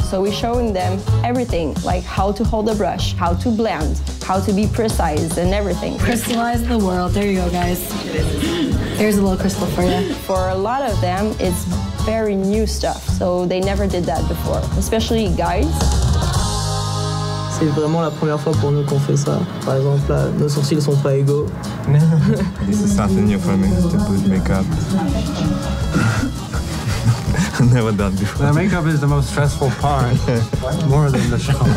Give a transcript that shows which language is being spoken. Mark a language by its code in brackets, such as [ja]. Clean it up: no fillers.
[en] So we're showing them everything, like how to hold a brush, how to blend, how to be precise and everything. Crystallize the world. There you go, guys. Here's a little crystal for you. For a lot of them, it's very new stuff. So they never did that before, especially guys. [fr] C'est vraiment la première fois pour nous qu'on fait ça. Par exemple, là, nos sourcils sont pas égaux. [en] This is something new for me to put makeup. Never done before. The makeup is the most stressful part, more than the show.